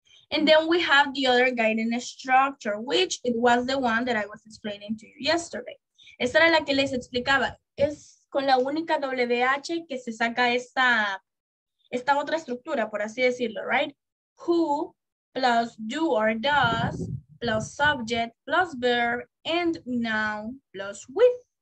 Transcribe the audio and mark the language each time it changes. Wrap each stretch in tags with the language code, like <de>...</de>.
<en>And then we have the other guiding structure, which it was the one that I was explaining to you yesterday.</en> <es>Esta era la que les explicaba. Es con la única WH que se saca esta otra estructura, por así decirlo, right?</es> <en>Who plus do or does, plus subject, plus verb, and noun, plus with.</en>